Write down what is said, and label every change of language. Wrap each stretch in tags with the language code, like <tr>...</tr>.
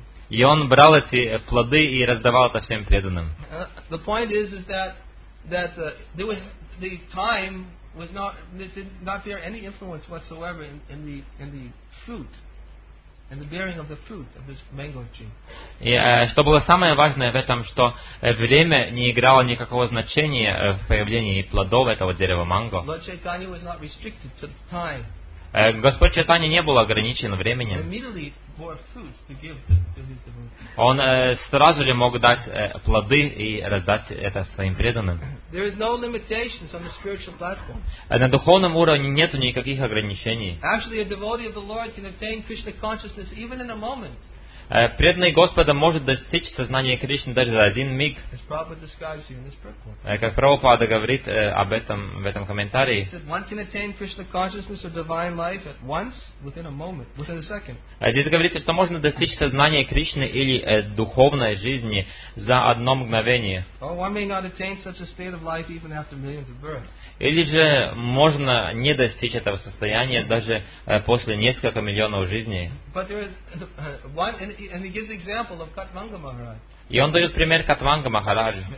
<ru>И он брал эти плоды и раздавал это всем преданным.</ru> <en>The point is that there was the time was not there did not bear any influence whatsoever in the fruit. And the bearing of the fruit of this mango tree.</en> <ru>И что было самое важное в этом, что время не играло никакого значения в появлении плодов этого дерева манго.</ru> <en>Lord Chaitanya was not restricted to time.</en> <ru>Господь Чайтанья не был ограничен временем.</ru> <en>He immediately bore fruit to give to his devotees.</en> <ru>Он сразу же мог дать плоды и раздать это своим преданным.</ru> <en>There is no limitations on the spiritual platform.</en> <ru>На духовном уровне нет никаких ограничений.</ru> <en>Actually, a devotee of the Lord can obtain Krishna consciousness even in a moment.</en> <ru>Преданный Господа может достичь сознания Кришны даже за один миг.</ru> <en>As Prabhupada describes in this purport.</en> <ru>Как Прабхупада говорит об этом в этом комментарии.</ru> <en>One can attain Krishna consciousness or divine life at once, within a moment, within a second.</en> <ru>Здесь говорится, что можно достичь сознания Кришны или духовной жизни за одно мгновение.</ru> <en>Or one may not attain such a state of life even after millions of births.</en> <ru>Или же можно не достичь этого состояния даже после нескольких миллионов жизней.</ru> <en>But there is one, and he gives the example of Katvanga Maharaj.</en> <ru>И он дает пример Катванга Махараджа.</ru>